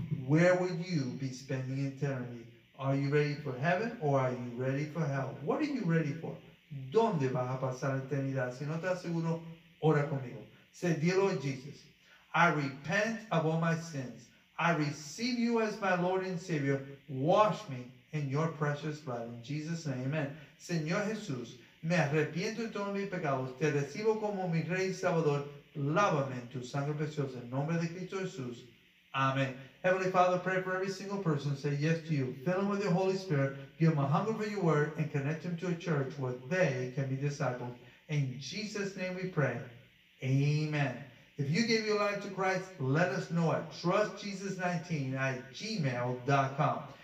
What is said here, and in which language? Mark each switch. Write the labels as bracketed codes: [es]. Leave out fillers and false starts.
[en] Where would you be spending eternity? Are you ready for heaven or are you ready for hell? What are you ready for? [es] ¿Dónde vas a pasar eternidad? Si no estás seguro, ora conmigo. [en] Say, dear Lord Jesus, I repent of all my sins. I receive you as my Lord and Savior. Wash me in your precious blood. In Jesus' name, amen. [es] Señor Jesús, me arrepiento de todos mis pecados. Te recibo como mi Rey y Salvador. Lávame en tu sangre preciosa, en nombre de Cristo Jesús. [en] Amen. Heavenly Father, pray for every single person. Say yes to you. Fill them with your Holy Spirit. Give them a hunger for your word and connect them to a church where they can be discipled. In Jesus' name we pray. Amen. If you gave your life to Christ, let us know at trustjesus19@gmail.com.